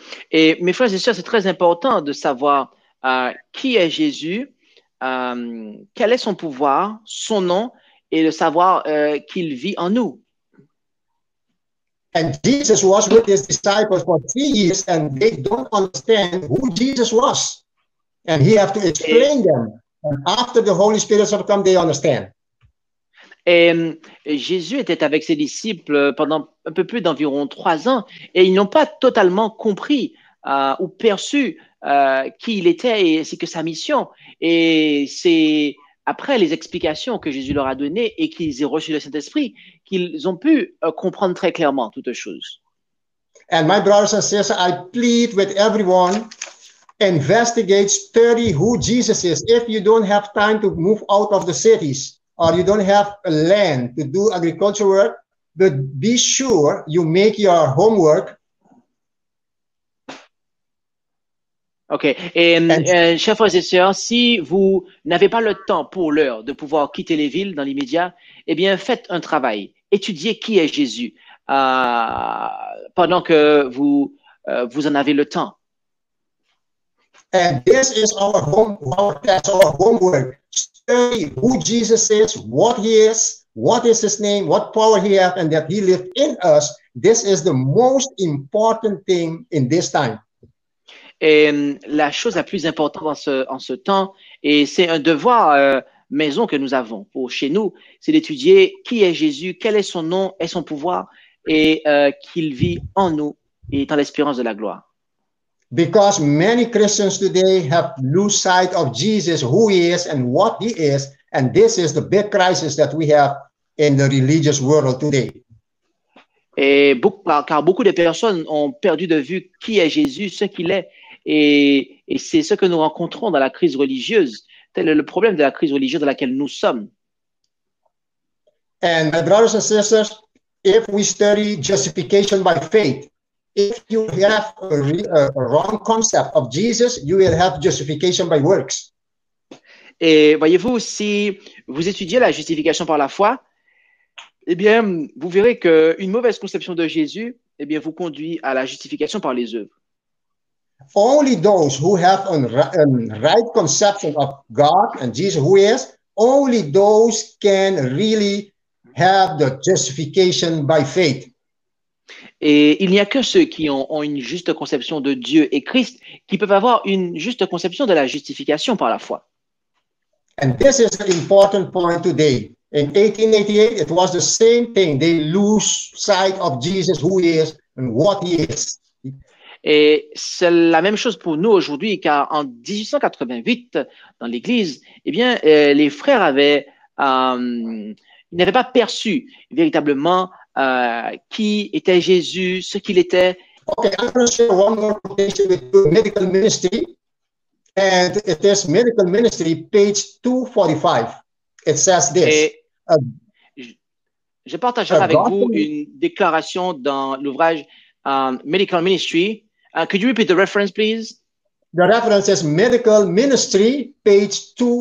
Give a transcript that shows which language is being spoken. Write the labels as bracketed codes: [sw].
[fr] Et mes frères et sœurs, c'est très important de savoir qui est Jésus, quel est son pouvoir, son nom. Et le savoir qu'il vit en nous. [en] And Jesus was with his disciples for 3 years, and they don't understand who Jesus was. And he have to explain them. And after the Holy Spirit have come, they understand. [fr] Et Jésus était avec ses disciples pendant un peu plus d'environ 3 ans, et ils n'ont pas totalement compris ou perçu qui il était et c'est que sa mission. Et c'est après les explications que Jésus leur a données et qu'ils aient reçu le Saint-Esprit, qu'ils ont pu comprendre très clairement toutes choses. [en] And my brothers and sisters, I plead with everyone, investigate, study who Jesus is. If you don't have time to move out of the cities or you don't have a land to do agricultural work, but be sure you make your homework. OK. [fr] Et chers frères et sœurs, si vous n'avez pas le temps pour l'heure de pouvoir quitter les villes dans l'immédiat, eh bien, faites un travail. Étudiez qui est Jésus pendant que vous en avez le temps. [en] And this is our homework. Study who Jesus is, what he is, what is his name, what power he has, and that he lives in us. This is the most important thing in this time. [fr] Et la chose la plus importante en ce temps, et c'est un devoir maison que nous avons pour chez nous, c'est d'étudier qui est Jésus, quel est son nom et son pouvoir, et qu'il vit en nous et est en l'espérance de la gloire. [en] Because many Christians today have lost sight of Jesus, who he is and what he is, and this is the big crisis that we have in the religious world today. [fr] Car beaucoup de personnes ont perdu de vue qui est Jésus, ce qu'il est, et c'est ce que nous rencontrons dans la crise religieuse, Tel est le problème de la crise religieuse dans laquelle nous sommes. [en] And my brothers and sisters, if we study justification by faith, if you have a wrong concept of Jesus, you will have justification by works. [fr] Et voyez-vous, si vous étudiez la justification par la foi, eh bien, vous verrez qu'une mauvaise conception de Jésus, eh bien, vous conduit à la justification par les œuvres. [en] Only those who have a right conception of God and Jesus, who is, only those can really have the justification by faith. [fr] Et il n'y a que ceux qui ont une juste conception de Dieu et Christ qui peuvent avoir une juste conception de la justification par la foi. [en] And this is an important point today. In 1888, it was the same thing. They lose sight of Jesus, who he is, and what he is. [fr] Et c'est la même chose pour nous aujourd'hui, car en 1888, dans l'Église, eh bien, les frères avaient, ils n'avaient pas perçu véritablement qui était Jésus, ce qu'il était. [en] Okay, I'm going to share one more quotation with the medical ministry. And it is medical ministry, page 245. It says this. [fr] Je partagerai avec vous une déclaration dans l'ouvrage Medical Ministry. [en] Could you repeat the reference, please? The reference is Medical Ministry, page